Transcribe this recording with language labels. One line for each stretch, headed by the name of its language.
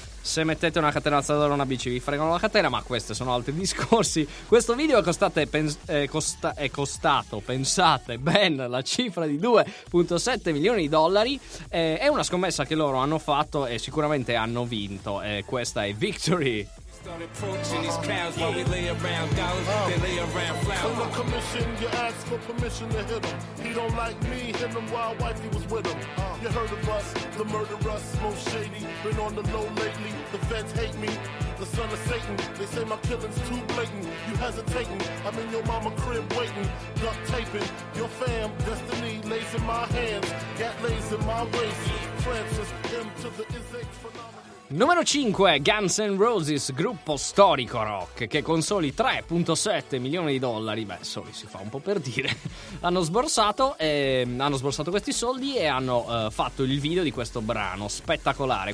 Italian: se mettete una catena alzadora o una bici vi fregano la catena, ma questi sono altri discorsi. Questo video è costato, pensate, ben la cifra di 2.7 milioni di dollari. È una scommessa che loro hanno fatto e sicuramente hanno vinto. Questa è Victory.
English: Approaching these crowds while we lay around dollars, they lay around flowers. Tell the commission, you ask for permission to hit him. He don't like me, hit him while wifey was with him. You heard of us, the murderous, most shady. Been on the low lately, the feds hate me. The son of Satan, they say my killing's too blatant. You hesitating, I'm in your mama crib waiting. Duct taping, your fam, destiny lays in my hands. Gat lays in my waist, Francis, M to the Isaac phenomenon.
Italian: Numero 5, Guns N' Roses, gruppo storico rock, che con soli 3.7 milioni di dollari, beh, soli si fa un po' per dire, hanno sborsato questi soldi e hanno fatto il video di questo brano spettacolare.